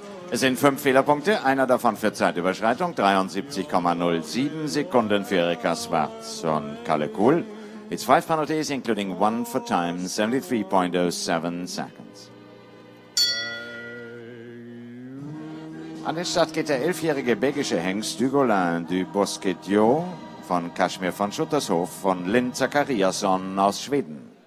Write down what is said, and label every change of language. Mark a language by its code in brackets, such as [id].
[de] Es sind 5 Fehlerpunkte, einer davon für Zeitüberschreitung. 73,07 Sekunden für Erika Schwarz und Kalle Kuhl. [en] It's 5 penalties, including 1 for time, 73.07 seconds. [de] An den Start geht der 11-jährige belgische Hengst Dugolin du Bosquetio von Kaschmir von Schuttershof von Lynn Zachariasson aus Schweden.